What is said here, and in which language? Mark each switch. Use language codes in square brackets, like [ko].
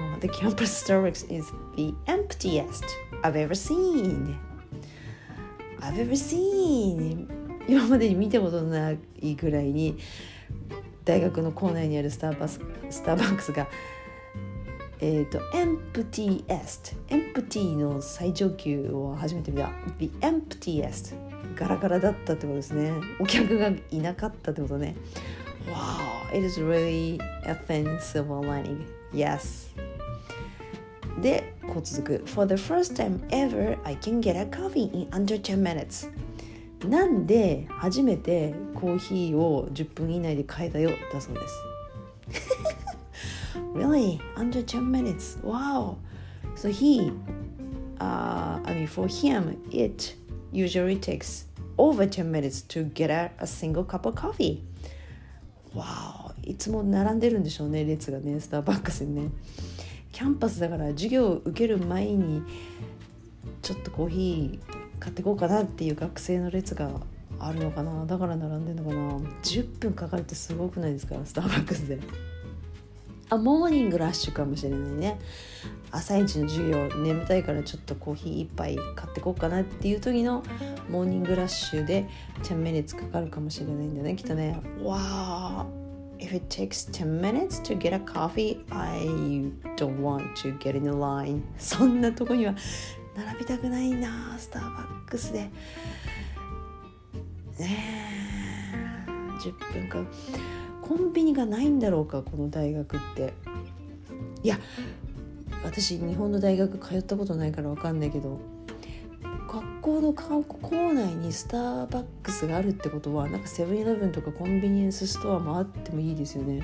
[en] The campus Starbucks is the emptiest I've ever seen [ja] 今までに見たことないぐらいに、大学の校内にあるスターバックスが、エンプティーの最上級を初めて見た。 The emptiest、 ガラガラだったってことですね。お客がいなかったってことね。 [en] Wow, it is really a thin silver lining. [ja] Yes. で、こう続く。 [en] For the first time ever, I can get a coffee in under 10 minutes. [ja] なんで初めてコーヒーを10分以内で買えたよ、だそうです。 [en] Really? Under 10 minutes? Wow! So he, for him, it usually takes over 10 minutes to get a single cup of coffee. Wow! [ja] いつも並んでるんでしょうね、列がね、スターバックスにね。キャンパスだから授業を受ける前にちょっとコーヒー買っていこうかなっていう学生の列があるのかな、だから並んでるのかな。 10分かかるってすごくないですか、スターバックスで。あ、モーニングラッシュかもしれないね。朝一の授業、眠たいからちょっとコーヒー一杯買っていこうかなっていう時のモーニングラッシュで10 minutes かかるかもしれないんだね、きっとね。 [en] わー、If it takes 10 minutes to get a coffee, I don't want to get in the line. [ja] そんなとこには並びたくないな、スターバックスで。ねえ、10分か。コンビニがないんだろうか、この大学って。いや、私、日本の大学通ったことないからわかんないけど、学校の校内にスターバックスがあるってことは、なんかセブンイレブンとかコンビニエンスストアもあってもいいですよね。